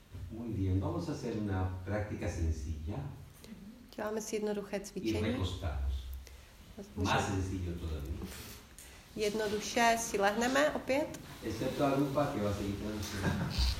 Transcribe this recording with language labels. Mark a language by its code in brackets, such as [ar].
[es] Muy bien, vamos a hacer una práctica sencilla. [cs] Děláme si jednoduché cvičení. [es] Más sencillo todavía. [cs] Jednoduše si lehneme opět. [es] Excepto a Lupa, que va a seguir con su vida.